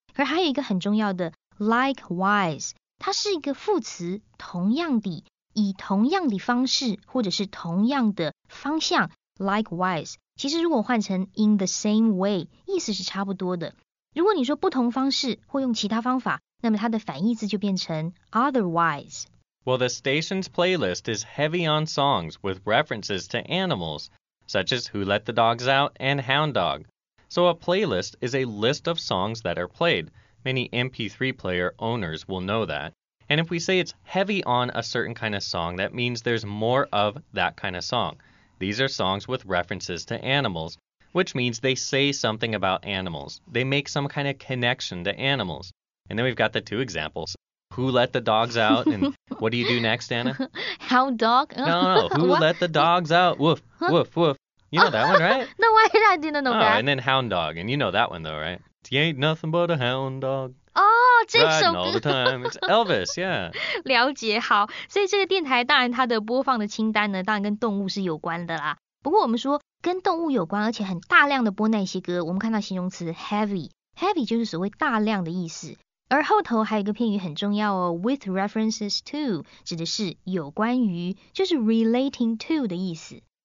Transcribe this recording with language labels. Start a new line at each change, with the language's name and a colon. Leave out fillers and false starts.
Chinese: 而还有一个很重要的
English: likewise，
Chinese: 它是一个副词，同样的，以同样的方式或者是同样的方向 likewise。其实如果换成
English: in the same way，
Chinese: 意思是差不多的。如果你说不同方式或用其他方法，那么它的反义词就变成 otherwise。
English: Well, the station's playlist is heavy on songs with references to animals, such as Who Let the Dogs Out and Hound Dog. So a playlist is a list of songs that are played. Many MP3 player owners will know that. And if we say it's heavy on a certain kind of song, that means there's more of that kind of song. These are songs with references to animals, which means they say something about animals. They make some kind of connection to animals. And then we've got the two examples. Who let the dogs out? And what do you do next, Anna? How dog? No. Who let the dogs out? Woof, woof, woof. You know that one, right? No, I didn't know that. Oh, and then hound dog. And you know that one, though, right? He ain't nothing but a hound dog. Oh, this song. Riding all the time. It's Elvis, yeah.
Chinese: 了解，好。所以这个电台当然它的播放的清单呢，当然跟动物是有关的啦。不过我们说跟动物有关，而且很大量的播那些歌，我们看到形容词 heavy. Heavy 就是所谓大量的意思。而后头还有一个片语很重要哦 ，
English: with references to
Chinese: 指的是有关于，就是
English: relating to
Chinese: 的意思。